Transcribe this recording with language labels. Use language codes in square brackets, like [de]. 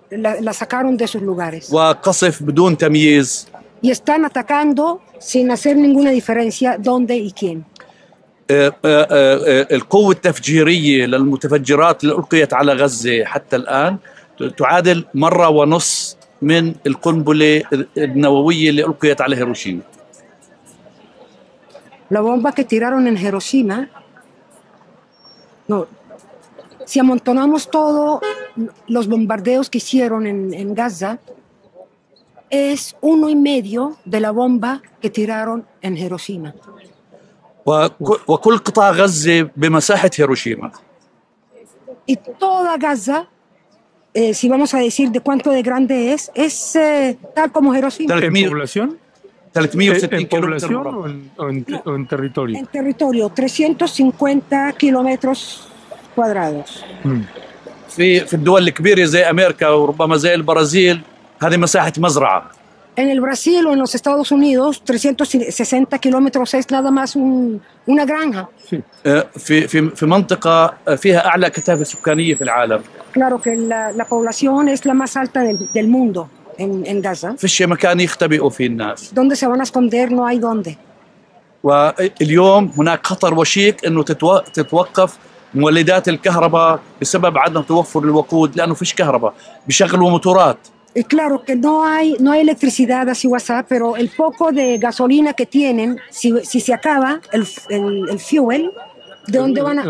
[es] la sacaron de sus lugares. [ar] وقصف بدون تمييز. [es] Y están atacando sin hacer ninguna diferencia dónde y quién. [ar] القوة التفجيرية للمتفجرات اللي ألقيت على غزة حتى الآن تعادل مرة ونص من القنبلة النووية اللي ألقيت على هيروشيما. [es] La bomba que tiraron en Hiroshima, no. Si amontonamos todos los bombardeos que hicieron en Gaza, es uno y medio de la bomba que tiraron en Hiroshima. [ar] وكل قطاع غزة بمساحة هيروشيما. [es] Y toda Gaza, si vamos a decir de cuánto de grande es tal como Hiroshima. ¿De la población? ¿En población o en territorio? En territorio, 350 kilómetros cuadrados. [ar] في الدول الكبيرة زي أمريكا وربما زي البرازيل هذه مساحة مزرعة. [es] En el Brasil o en los Estados Unidos, 360 kilómetros es nada más una granja. [ar] في منطقة فيها أعلى كثافة سكانية في العالم. [es] Claro que la población es la más alta del mundo. En Gaza. [ar] فيش مكان يختبئوا فيه الناس. [es] ¿Dónde se van a esconder? No hay dónde. [ar] واليوم هناك خطر وشيك انه تتوقف مولدات الكهرباء بسبب عدم توفر الوقود لانه فيش كهرباء، بيشغلوا موتورات. [es] Y claro que no hay electricidad así WhatsApp, pero el poco de gasolina que tienen, si se acaba el fuel, ¿de dónde van a